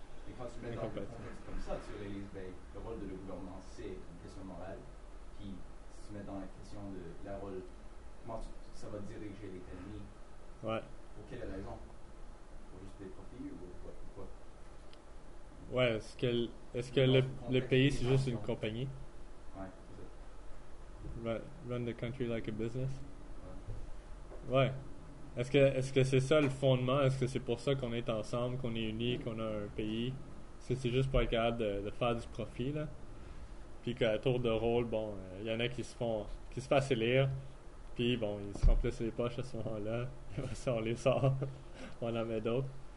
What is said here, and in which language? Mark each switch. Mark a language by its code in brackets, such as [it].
[fr] Et quand tu mets dans le contexte comme ça, tu réalises que le rôle de le gouvernement, c'est une question morale. Puis, si tu mets dans la question de la rôle, comment ça va diriger l'économie, ouais. Pour quelle raison? Pour juste des profits ou quoi? Pourquoi? Ouais, est-ce que le pays, c'est juste une compagnie? [en] Run the country like a business. [fr] Ouais. Est-ce que c'est ça le fondement? Est-ce que c'est pour ça qu'on est ensemble, qu'on est unis, qu'on a un pays? Est-ce que c'est juste pour être capable de faire du profit, là? Puis qu'à tour de rôle, bon, il y en a qui se fassent élire, puis bon, ils se remplissent les poches à ce moment-là, et si on les sort, on en met d'autres.